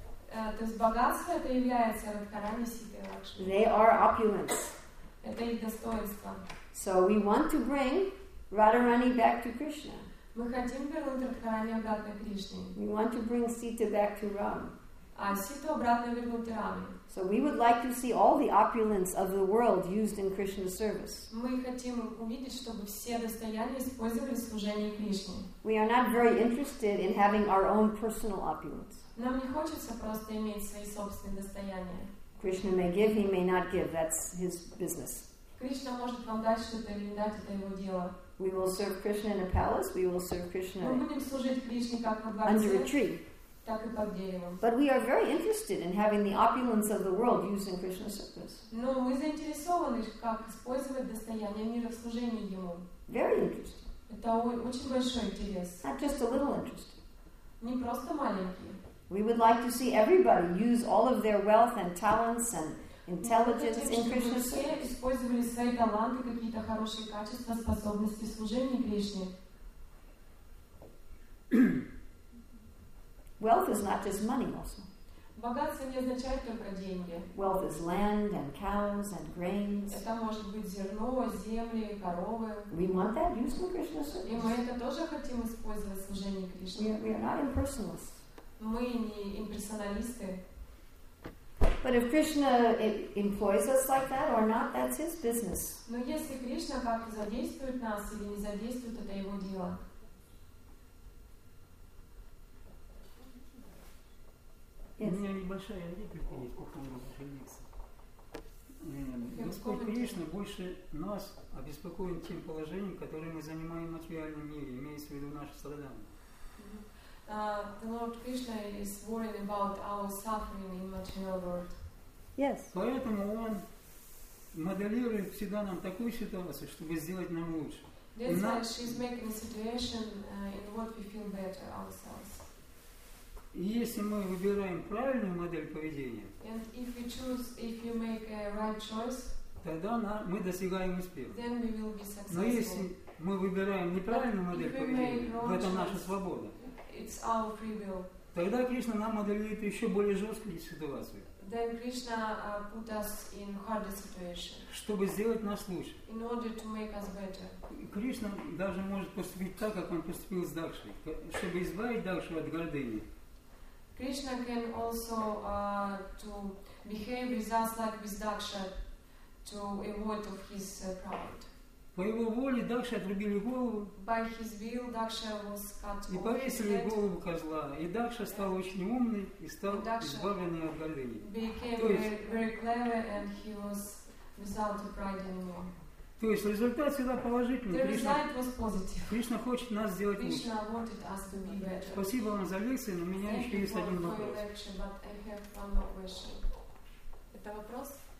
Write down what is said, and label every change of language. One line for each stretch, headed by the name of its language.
Russian: То есть богатство это является Радхарани, Сита и Лакшми.
English: They are opulence.
Russian: Это их достоинство.
English: So we want to bring Radharani back to Krishna.
Russian: Мы хотим вернуть Радхарани обратно к Кришне.
English: We want to bring Sita back to Rama.
Russian: А Сита обратно вернуть Раме.
English: So we would like to see all the opulence of the world used in Krishna's service.
Russian: Мы хотим увидеть, чтобы все достояния использовались в служении Кришне.
English: We are not very interested in having our own personal opulence.
Russian: Нам не хочется просто иметь свои собственные достояния.
English: Krishna may give, he may not give. That's his business.
Russian: Кришна может вам дать что-то или не дать, это его дело.
English: We will serve Krishna in a palace. We will serve Krishna.
Russian: Мы будем служить Кришне как в дворце.
English: Under a tree.
Russian: Так и под деревом.
English: But we are very interested in having the opulence of the world used in Krishna's service.
Russian: Но мы заинтересованы, как использовать достояние мира в служении ему.
English: Very interested.
Russian: Это очень большой интерес.
English: Not just a little interested.
Russian: Не просто маленький.
English: We would like to see everybody use all of their wealth and talents and intelligence in Krishna's service.
Russian: Мы хотим, чтобы все использовали свои таланты, какие-то хорошие качества, способности в служении Кришне.
English: Wealth is not just money also.
Russian: Богатство не означает только деньги.
English: Wealth is land and cows and grains.
Russian: Это может быть зерно, земли, коровы.
English: We want that used in Krishna's service.
Russian: И мы это тоже хотим использовать в служении Кришне.
English: We are not impersonalists.
Russian: Мы не имперсоналисты.
English: But if Krishna employs us like that or not, that's his business.
Russian: Но если Кришна как-то задействует нас или не задействует, это его дело. Yes. У меня небольшая реплика, есть по поводу жениться. Господь Кришна больше нас обеспокоен тем положением, которое мы занимаем в материальном мире, имеется в виду наше страдание.
English: The Lord Krishna is worried about our suffering in material world. Yes.
Russian: Поэтому он моделирует всегда нам такую ситуацию, чтобы сделать нам лучше.
English: That's why she's making a situation in what we feel better ourselves.
Russian: И если мы выбираем правильную модель поведения,
English: and if we choose, if you make a right choice,
Russian: тогда мы достигаем успеха.
English: Then we will be successful.
Russian: Но если мы выбираем неправильную модель поведения, это наша свобода.
English: It's our free will.
Russian: Тогда Кришна нам моделирует еще более жесткие ситуации.
English: Then Krishna put us in harder situation.
Russian: Чтобы сделать нас лучше.
English: In order to make us better.
Russian: Кришна даже может поступить так, как он поступил с Дакшей, чтобы избавить Дакшу от гордыни.
English: Krishna can also to behave with us like with Daksha to avoid of his pride.
Russian: По его воле Дакша отрубили голову.
English: By his will, Daksha was cut off.
Russian: И повесили голову козла. И Дакша стал очень умный и стал избавленный от гордыни.
English: Became very clever and he was without the pride anymore.
Russian: То есть результат всегда положительный.
English: The result was positive.
Russian: Кришна хочет нас сделать лучше.
English: Krishna wanted us to be better.
Russian: Спасибо вам за лекцию, но у меня еще есть один вопрос. Это вопрос?